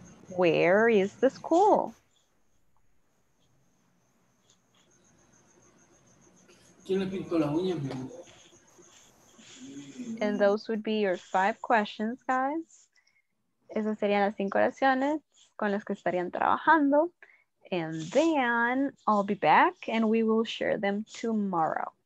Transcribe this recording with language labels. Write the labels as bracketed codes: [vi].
[en] Where is the school? [es] ¿Quién le pintó las uñas, mi amor? [en] And those would be your five questions, guys. [es] Esas serían las cinco oraciones con las que estarían trabajando. [en] And then I'll be back and we will share them tomorrow.